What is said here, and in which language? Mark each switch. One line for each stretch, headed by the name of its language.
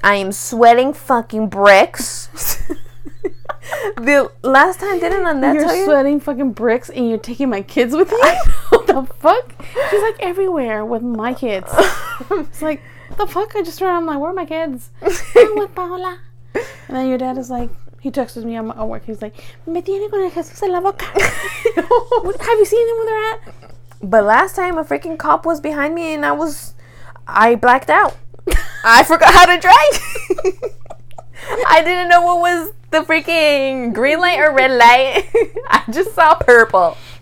English: I am sweating fucking bricks. The last time, didn't on that you're tell you? You're sweating fucking bricks and you're taking my kids with you? The fuck? She's like everywhere with my kids. It's like, the fuck? I just turned around, I'm like, where are my kids? I'm with Paola. And then your dad is like, he texts me at work. He's like,
Spanish: me tiene con el Jesús en la boca.
English: Have you seen them where they're at? But last time, a freaking cop was behind me and I blacked out. I forgot how to drive. I didn't know what was the freaking green light or red light. I just saw purple.